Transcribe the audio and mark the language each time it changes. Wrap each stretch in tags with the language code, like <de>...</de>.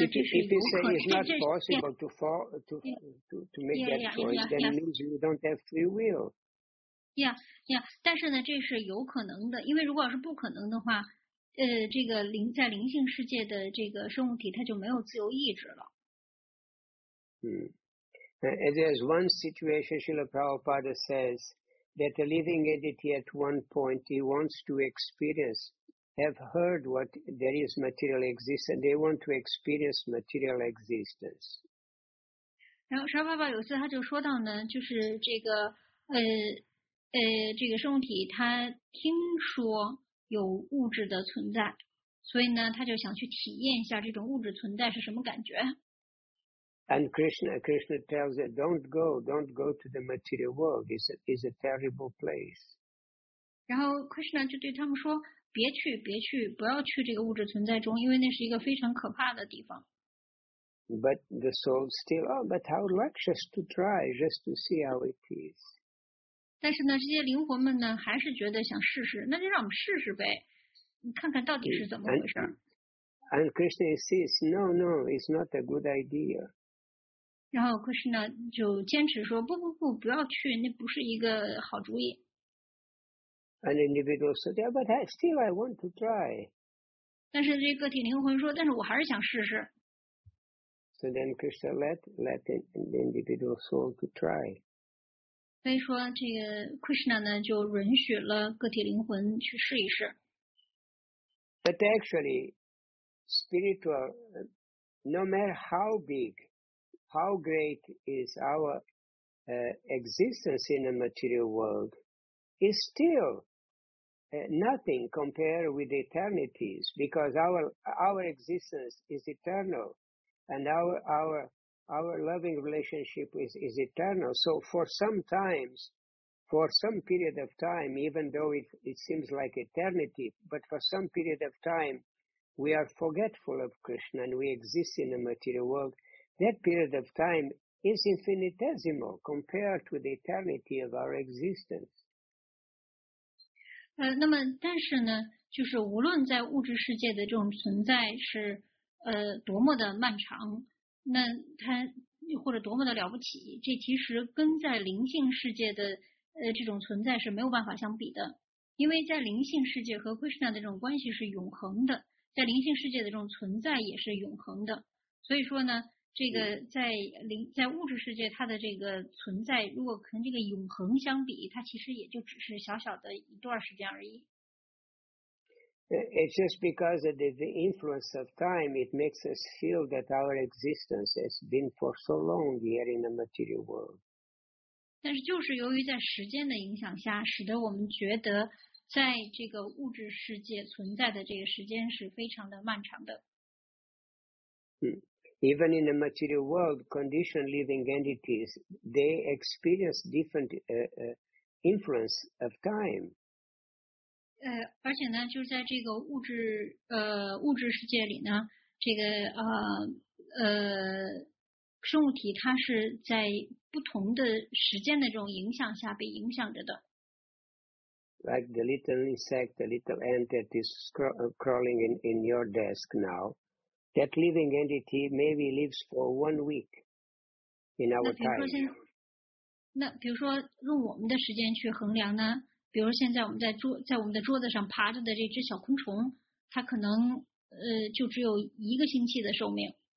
<en>if you say it's not possible to make that choice, then it means you don't have free will. Yeah.</en> <zh>但是呢，这是有可能的，因为如果是不可能的话，这个在灵性世界的这个生物体，它就没有自由意志了。</zh> <en>There's one situation, Srila Prabhupada says. That a living entity at one point, he wants to experience, have heard what there is material existence, they want to experience material existence.</en> <zh>然后沙爸爸有次他就说到呢，就是这个生物体他听说有物质的存在，所以呢他就想去体验一下这种物质存在是什么感觉。</zh> <en>And Krishna tells him, don't go to the material world. It's a terrible place.</en> <zh>然后 Krishna 就对他们说，别去，不要去这个物质存在中，因为那是一个非常可怕的地方。</zh> <en>But the soul still, but I would like just to try, just to see how it is.</en> <zh>但是呢，这些灵魂们呢，还是觉得想试试，那就让我们试试呗，你看看到底是怎么回事。</zh> <en>And Krishna insists, no, it's not a good idea.</en> <zh>然后 Krishna 就坚持说不，不要去，那不是一个好主意。</zh> <en>An individual said, yeah, but still I want to try.</en> <zh>但是这个体灵魂说，但是我还是想试试。</zh> <en>So then Krishna let the individual soul to try.</en> <zh>所以说这个 Krishna 呢就允许了个体灵魂去试一试。</zh> <en>But actually, spiritual, no matter how big,How great is our existence in the material world is still nothing compared with eternities because our existence is eternal and our loving relationship is eternal. So for some period of time, even though it seems like eternity, but for some period of time, we are forgetful of Krishna and we exist in the material world. That period of time is infinitesimal compared to the eternity of our existence.</en> <zh>那么但是呢，就是无论在物质世界的这种存在是多么的漫长，那它或者多么的了不起，这其实跟在灵性世界的这种存在是没有办法相比的，因为在灵性世界和 Krishna 的这种关系是永恒的，在灵性世界的这种存在也是永恒的，所以说呢。这个在灵在物质世界它的这个存在，如果跟这个永恒相比，它其实也就只是小小的一段时间而已。</zh> <en>It's just because of the influence of time, it makes us feel that our existence has been for so long here in the material world.</en> <zh>但是就是由于在时间的影响下，使得我们觉得在这个物质世界存在的这个时间是非常的漫长的。</zh> <en>Even in the material world, conditioned living entities, they experience different influence of time.</en> <zh>而且呢，就是在这个物质世界里呢，这个生物体它是在不同的时间的这种影响下被影响着的。</zh> <en>Like the little insect, the little ant that is crawling in your desk now, that living entity maybe lives for 1 week in our time.</en> <zh>那比如说用我们的时间去衡量呢，比如现在我们在我们的桌子上爬着的这只小昆虫，它可能就只有一个星期的寿命。</zh>